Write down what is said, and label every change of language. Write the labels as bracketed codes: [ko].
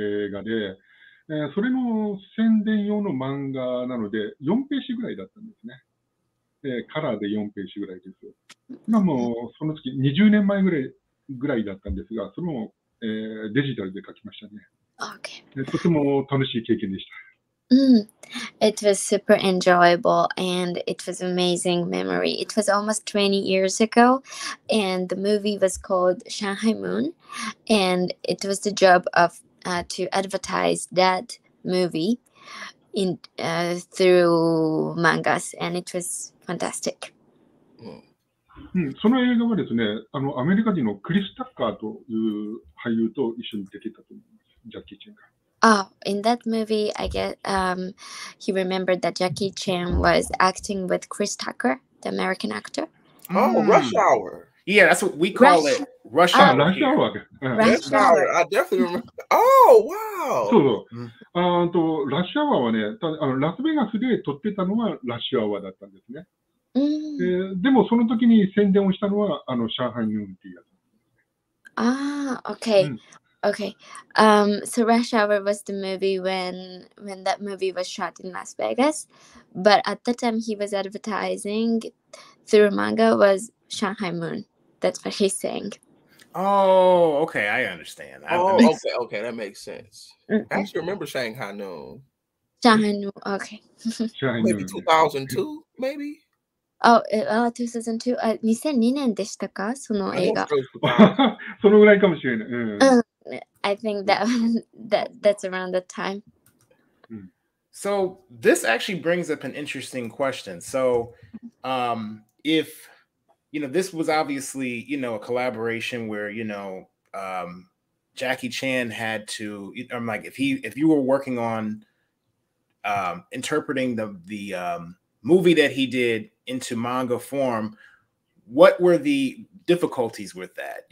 [ja] 映画で、それの宣伝用の漫画なので4ページぐらいだったんですね。カラーで4ページぐらいです。今もその月20年前ぐらいだったんですが、それも、デジタルで書きましたね。 [en] Okay. [ja] とても楽しい経験でした。 [en] It was super enjoyable and it was amazing memory. It was almost 20 years ago and the movie was called Shanghai Moon and it was the job ofto advertise that movie in through mangas and it was fantastic. [ja] その映画はですね、あのアメリカ人のクリス・タッカーという俳優と一緒に出てたと思います。ジャッキー・チェンが。 [en] Oh, in that movie, I guess he remembered that Jackie Chan was acting with Chris Tucker, the American actor. Oh, Rush Hour. Yeah, that's what we call it. Rush Hour. Rush Hour. I definitely remember. Oh, wow. [ja] そうそう。あーと、Rush Hour はね、あの、ラスベガスで撮ってたのは Rush Hour だったんですね。でもその時に宣伝をしたのは、あの、上海ヌーンっていうやつ。 [en] Okay. Okay. So Rush Hour was the movie when that movie was shot in Las Vegas. But at the time he was advertising through manga was Shanghai Moon. That's what he's saying. Oh, okay. I understand. Okay. That makes sense. I actually remember Shanghai Noon. Shanghai Noon. Okay. Maybe 2002, maybe? [ja] Oh, 2002. 2002年でしたか？その映画。そのぐらいかもしれない。 [en] I think that's around that time. So this actually brings up an interesting question. So if, you know, this was obviously, you know, a collaboration where, you know, Jackie Chan had to, I'm like, if you were working on interpreting the movie that he did into manga form, what were the difficulties with that?